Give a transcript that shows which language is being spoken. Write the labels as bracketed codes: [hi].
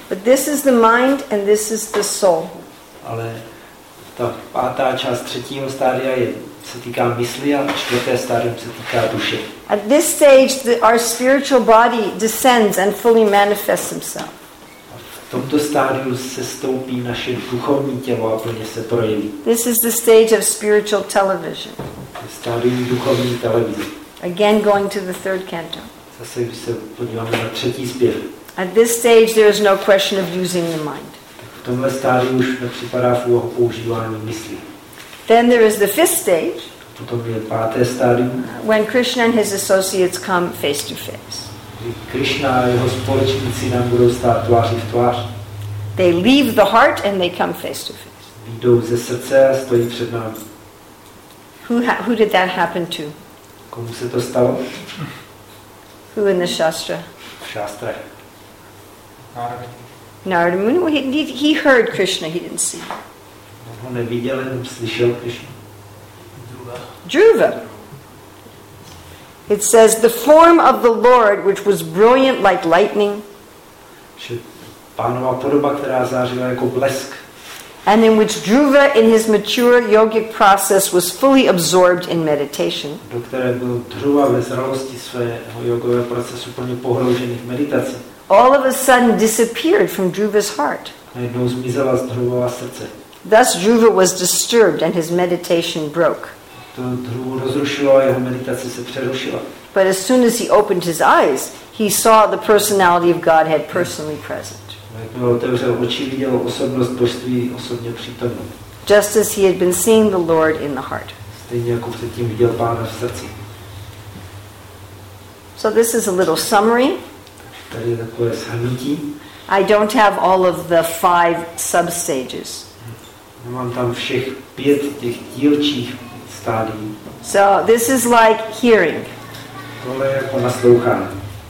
[en] But this is the mind and this is the soul. [cs] Ale ta pátá část třetího stádia se týká mysli a čtvrté stádium se týká duše. [en] At this stage our spiritual body descends and fully manifests itself. [cs] A v tomto stádiu se stoupí naše duchovní tělo a plně se projeví. [en] This is the stage of spiritual television. [cs] Stádium duchovní televize. [en] Again going to the third canto. [cs] Zase když se podíváme na třetí zpěv. [en] At this stage there is no question of using the mind. [cs] Tak v tomhle stádiu už nepřipadá v úlohu používání mysli. [en] Then there is the fifth stage. [cs] Potom je páté stádium. [en] When Krishna and his associates come face to face. [cs] Krishna a jeho společníci nám budou stát tváří v tvář. [en] They leave the heart and they come face to face. [cs] Vyjdou ze srdce a stojí před námi. [en] Who did that happen to? [cs] Komu se to stalo? [en] Who in the Shastra? [cs] Shastra. [en] Narada Muni. Narada Muni, he heard Krishna, he didn't see. [cs] On ho neviděl, jenom slyšel Krishna. [en] Dhruva. It says, the form of the Lord, which was brilliant like lightning. [cs] Pánova podoba, která zářila jako blesk. [en] And in which Dhruva, in his mature yogic process, was fully absorbed in meditation. [cs] Do které byl Dhruva ve zralosti svého jogového procesu plně pohroužený v meditaci. [en] All of a sudden disappeared from Dhruva's heart. [cs] Najednou zmizela z Dhruvova srdce. [en] Thus Dhruva was disturbed and his meditation broke. [cs] To Dhruvu rozrušilo a jeho meditace se přerušila. [en] But as soon as he opened his eyes, he saw the personality of Godhead personally present. [cs] Jakmile otevřel oči, viděl osobnost božství osobně přítomnou. [en] Just as he had been seeing the Lord in the heart. [cs] Stejně jako předtím viděl Pána v srdci. [en] So this is a little summary. [cs] Tady je takové shrnutí. [en] I don't have all of the five sub-stages. [cs] Nemám tam všech pět těch dílčích stádií. [en] So this is like hearing. [cs] Tohle je jako naslouchání.